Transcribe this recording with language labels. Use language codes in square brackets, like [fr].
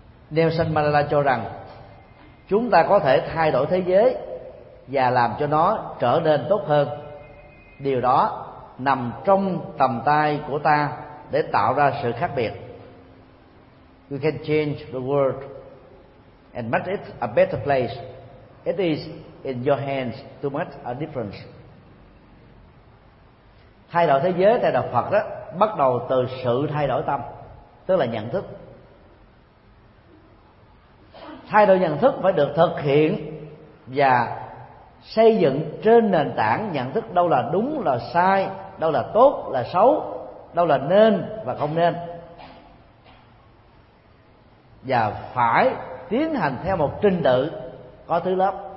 [vi] Nelson Mandela cho rằng chúng ta có thể thay đổi thế giới và làm cho nó trở nên tốt hơn. Điều đó nằm trong tầm tay của ta để tạo ra sự khác biệt. [en] We can change the world and make it a better place. It is in your hands to make a difference. [vi] Thay đổi thế giới theo đạo Phật đó bắt đầu từ sự thay đổi tâm, tức là nhận thức. Thay đổi nhận thức phải được thực hiện và xây dựng trên nền tảng nhận thức đâu là đúng là sai, đâu là tốt là xấu, đâu là nên và không nên, và phải tiến hành theo một trình tự có thứ lớp.